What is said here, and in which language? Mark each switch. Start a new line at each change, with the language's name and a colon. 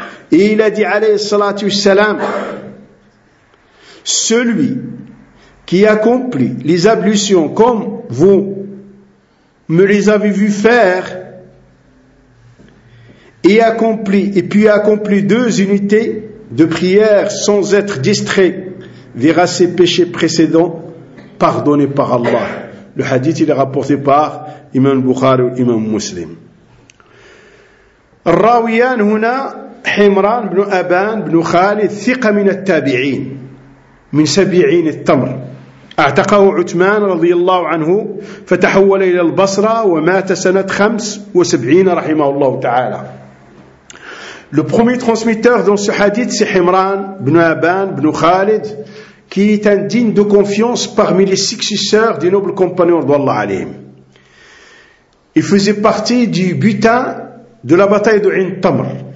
French: Et il a dit, alayhi salatu wassalam, celui qui accomplit les ablutions comme vous me les avez vu faire, et puis accomplit 2 unités de prière sans être distrait, verra ses péchés précédents pardonnés par Allah. Le hadith, il est rapporté par Imam Bukhari ou Imam Muslim.
Arabic: الراويان هنا حمران بن أبان بن خالد ثقة من التابعين من 70 التمر اعتقه عثمان رضي الله عنه فتحول إلى البصرة ومات 75 رحمه الله تعالى.
French: Le premier transmetteur dans ce hadith c'est حمران بن أبان بن خالد qui est un digne de confiance parmi les successeurs des nobles compagnons de Allah عليهم. Il faisait partie du butin de la bataille de Ain Tamr.